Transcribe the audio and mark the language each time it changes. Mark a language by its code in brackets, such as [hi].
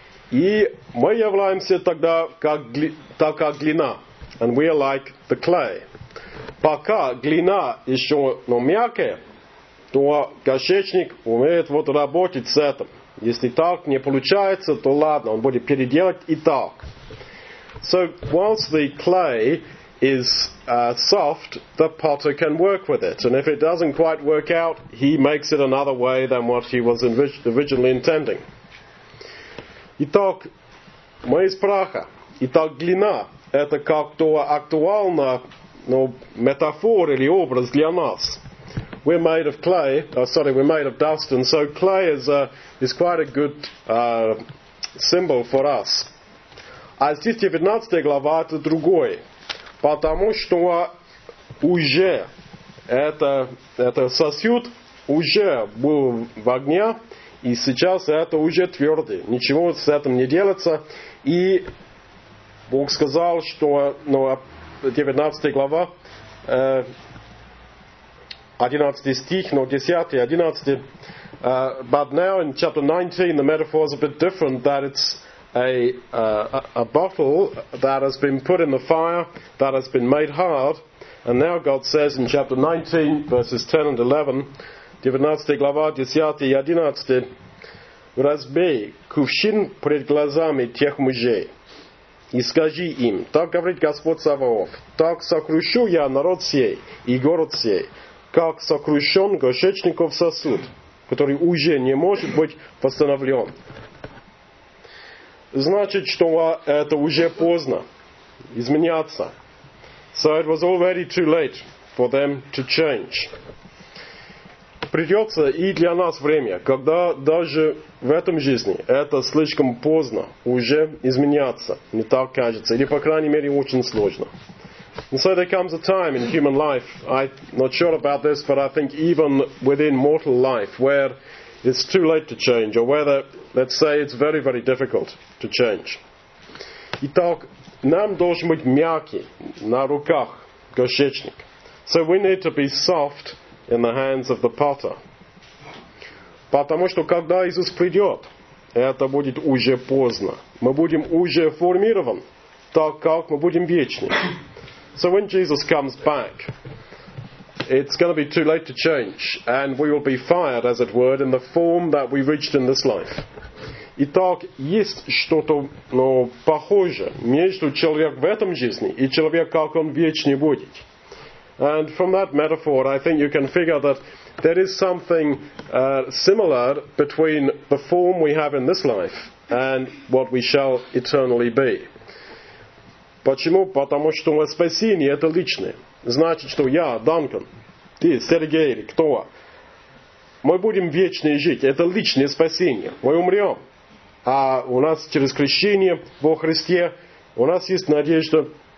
[ru] И мы являемся тогда как глина. [en] And we are like the clay. [ru] Пока глина еще мягкая, то горшечник умеет вот работать с этим. Если так не получается, то ладно, он будет переделать и так. [en] So, whilst the clay is soft, the potter can work with it. And if it doesn't quite work out, he makes it another way than what he was originally intending. [ru] Итак, мы из праха. Итак, глина – это как-то актуально, ну, метафора или образ для нас. [en] We're made of clay. We're made of dust, and so clay is quite a good symbol for us. [ru] А здесь 19 глава это другой, потому что уже это сосуд уже был в огне, и сейчас это уже твердый. Ничего с этим не делается. И Бог сказал, что 19 глава. 11 стих, но 10, 11. [en] But now in chapter 19, the metaphor is a bit different, that it's a bottle that has been put in the fire, that has been made hard. And now God says in chapter 19, verses 10 and 11, [ru] 19 глава, 10, 11, «Разбей кувшин пред глазами тех мужей и скажи им, так говорит Господь Саваоф, так сокрушу я народ сей и город сей, как сокрушен горшечников сосуд, который уже не может быть восстановлен». Значит, что это уже поздно изменяться. [en] So it was already too late for them to change. [ru] Придется и для нас время, когда даже в этом жизни это слишком поздно уже изменяться, не так кажется, или, по крайней мере, очень сложно. [en] And so there comes a time in human life, I'm not sure about this, but I think even within mortal life, where it's too late to change, or whether, let's say, it's very, very difficult to change. [ru] Итак, нам должен быть мягкий на руках горшечник. [en] So we need to be soft in the hands of the potter. [ru] Потому что когда Иисус придет, это будет уже поздно. Мы будем уже формирован, так как мы будем вечны. [en] So when Jesus comes back, it's going to be too late to change, and we will be fired, as it were, in the form that we reached in this life. [ru] Итак, есть что-то, ну, похожее между человеком в этом жизни и человеком, как он вечный будет. [en] And from that metaphor, I think you can figure that there is something similar between the form we have in this life and what we shall eternally be. [ru] Почему? Потому что спасение – это личное. Значит, что я, Данкан, ты, Сергей, или кто? Мы будем вечно жить. Это личное спасение. Мы умрем. А у нас через крещение во Христе, у нас есть надежда